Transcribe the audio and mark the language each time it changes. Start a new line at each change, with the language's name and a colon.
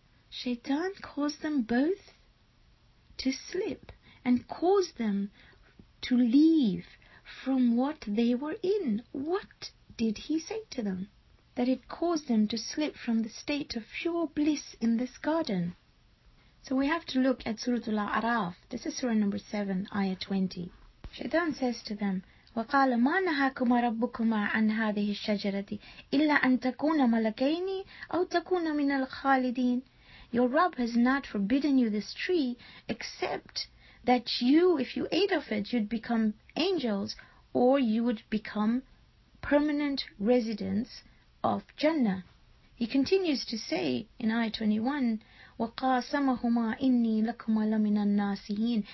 English: Shaitan caused them both to slip and caused them to leave from what they were in. What did he say to them? That it caused them to slip from the state of pure bliss in this garden. So we have to look at Surah Al-A'raf. This is Surah number 7, Ayah 20. Shaitan says to them,
Arabic: وَقَالَ مَا نَهَاكُمَا رَبُّكُمَا عَنْ هَذِهِ الشَّجَرَةِ إِلَّا أَن تَكُونَ مَلَكَيْنِ أَوْ تَكُونَ مِنَ الْخَالِدِينَ.
English: Your Rabb has not forbidden you this tree, except that you, if you ate of it, you'd become angels, or you would become permanent residents of Jannah. He continues to say in Ayah 21,
Arabic: وَقَاسَمَهُمَا إِنِّي لَكُمَا لَمِنَ النَّاسِهِينَ.